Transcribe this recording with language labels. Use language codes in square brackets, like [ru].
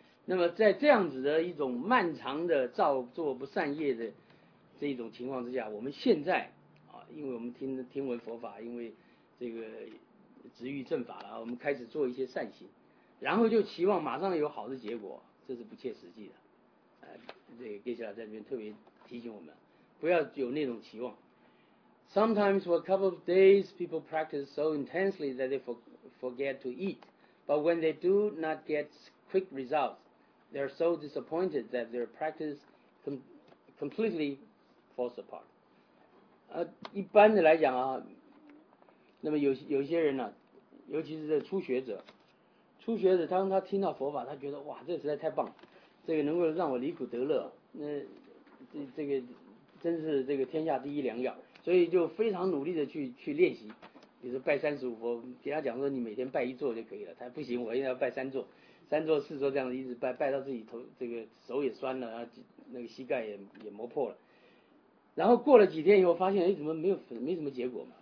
[zh] 那么在这样子的一种漫长的造作不善业的这种情况之下，我们现在啊，因为我们听闻佛法，因为这个执欲正法了，我们开始做一些善行，然后就期望马上有好的结果，这是不切实际的。这个给下来在这边特别提醒我们，不要有那种期望。 [en] Sometimes for a couple of days, people practice so intensely that they forget to eat. But when they do not get quick results, they are so disappointed that their practice completely falls apart. [zh] 一般的来讲啊，那么有些人呢、啊，尤其是这初学者，当他听到佛法，他觉得哇，这实在太棒了。这个能够让我离苦得乐，那这个真是这个天下第一良药，所以就非常努力的去练习，比如说拜三十五佛，给他讲说你每天拜一座就可以了，他不行，我一定要拜三座四座，这样一直拜到自己头这个手也酸了，然后那个膝盖也磨破了，然后过了几天以后发现，哎，怎么没什么结果嘛？